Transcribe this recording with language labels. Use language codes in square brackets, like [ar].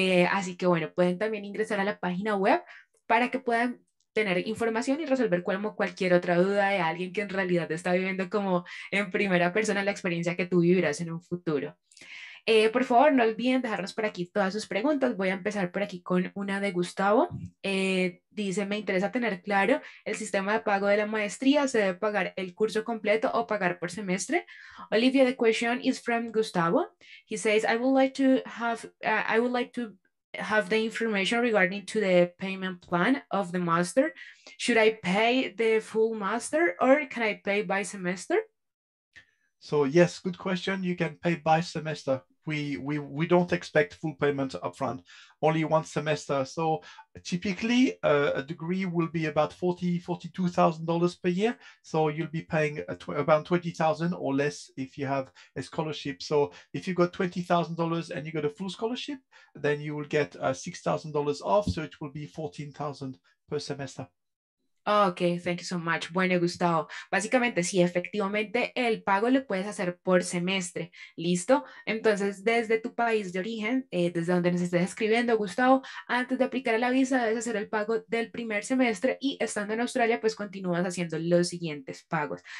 [es] Así que bueno, pueden también ingresar a la página web para que puedan tener información y resolver cualquier otra duda de alguien que en realidad está viviendo como en primera persona la experiencia que tú vivirás en un futuro. Por favor, no olviden dejarnos por aquí todas sus preguntas. Voy a empezar por aquí con una de Gustavo. Dice, me interesa tener claro el sistema de pago de la maestría. ¿Se debe pagar el curso completo o pagar por semestre? [en] Olivia, the question is from Gustavo. He says, I would like to have the information regarding to the payment plan of the master. Should I pay the full master or can I pay by semester? So yes, good question. You can pay by semester. We don't expect full payment upfront, only one semester. So typically a degree will be about $42,000 per year. So you'll be paying about $20,000 or less if you have a scholarship. So if you've got $20,000 and you got a full scholarship, then you will get $6,000 off. So it will be $14,000 per semester. Ok, thank you so much. [es] Bueno, Gustavo, básicamente sí, efectivamente el pago lo puedes hacer por semestre, ¿listo? Entonces, desde tu país de origen, desde donde nos estés escribiendo, Gustavo, antes de aplicar a la visa debes hacer el pago del primer semestre y estando en Australia, pues continúas haciendo los siguientes pagos.